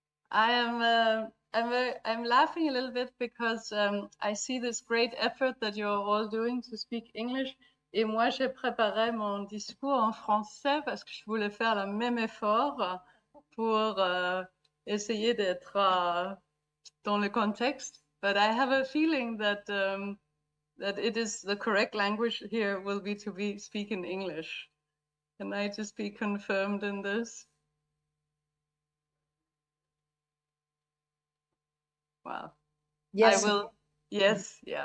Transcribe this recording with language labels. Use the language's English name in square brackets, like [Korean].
[English] I'm laughing a little bit because I see this great effort that you're all doing to speak English. [French] Et moi, j'ai préparé mon discours en français parce que je voulais faire le même effort pour essayer d'être dans le contexte. [English] But I have a feeling that that it is the correct language here will be to be speak in English. Can I just be confirmed in this? Wow. Yes.